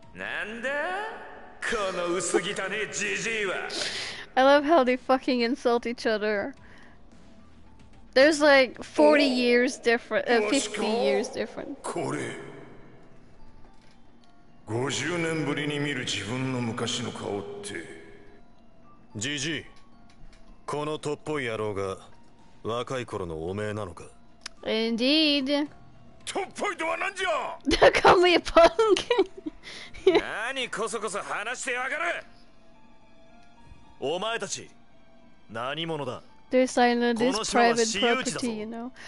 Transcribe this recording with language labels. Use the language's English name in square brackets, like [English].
[English] I love how they fucking insult each other. There's like 40 years different, 50 years different. [Japanese] これ50年ぶりに見る自分の昔の顔ってジジイ、このとっぽい野郎が若い頃のおめえなのか。 [English] Indeed. [Japanese] とっぽいとは何じゃ。だかめえパンケン。なにこそこそ話してやがる。お前たち何者だ。 [English] They're saying that this private property, you know.